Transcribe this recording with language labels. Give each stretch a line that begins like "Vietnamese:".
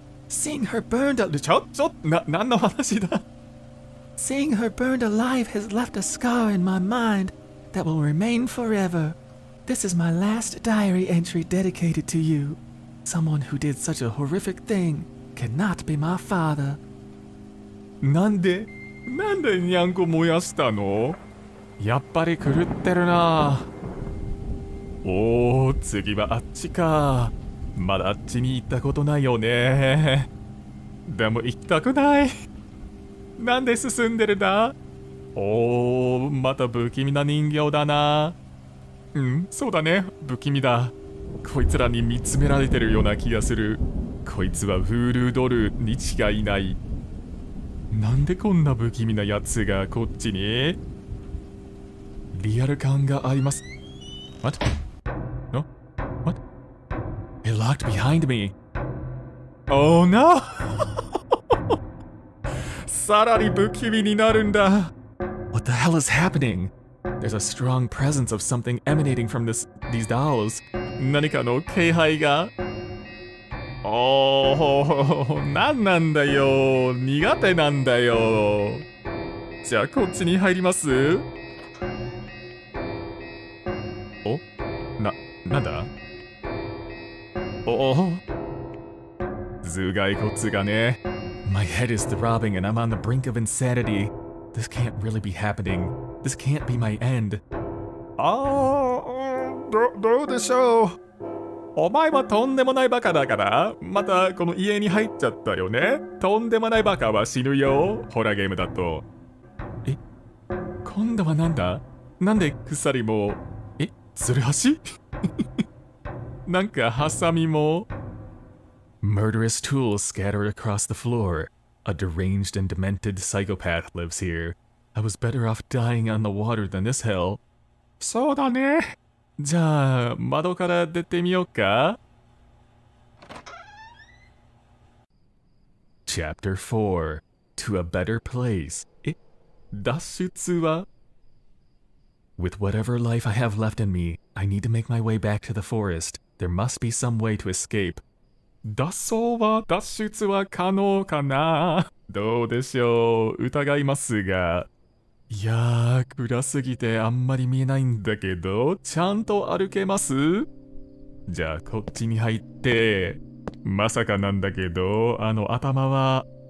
English: Seeing her burned alive...
Japanese: なんの話だ?
English: Seeing her burned alive has left a scar in my mind. That will remain forever. This is my last diary entry dedicated to you. Someone who did such a horrific thing cannot be my father.
Japanese: なんでニャンコ燃やしたの? やっぱり狂ってるな。おお、次はあっちか。まだあっちに行ったことないよね。でも行きたくない。なんで進んでるな?おー、また不気味な人形だな。うん、そうだね、不気味だ。こいつらに見つめられてるような気がする。こいつはフールドルに違いない。なんでこんな不気味なやつがこっちに? リアル感があります。
English: What? No? What? It locked behind me. Oh no!
Japanese: さらに不気味になるんだ。
English: What the hell is happening? There's a strong presence of something emanating from these dolls.
Japanese: 何かの気配が?Oh, 何なんだよ。苦手なんだよ。じゃあこっちに入ります? Oh? なんだ? Oh? 頭蓋骨がね。
English: My head is throbbing and I'm on the brink of insanity. This can't really be happening. This can't be my end. Oh!
Japanese: どうでしょう。お前はとんでもないバカだから、またこの家に入っちゃったよね。とんでもないバカは死ぬよ、ホラーゲームだと。え?今度はなんだ?なんで鎖も… え?ツルハシ? なんかハサミも…
English: Murderous tools scattered across the floor. A deranged and demented psychopath lives here. I was better off dying on the water than this hell.
Japanese: そうだね。じゃあ、窓から出てみようか?
English: Chapter 4 To a Better Place
Japanese: え?脱出は?
English: With whatever life I have left in me, I need to make my way back to the forest. There must be some way to escape.
Japanese: 脱走は、脱出は可能かな? どうでしょう、疑いますが… いやー、暗すぎてあんまり見えないんだけど、ちゃんと歩けます? じゃあ、こっちに入って、まさかなんだけど、あの頭は…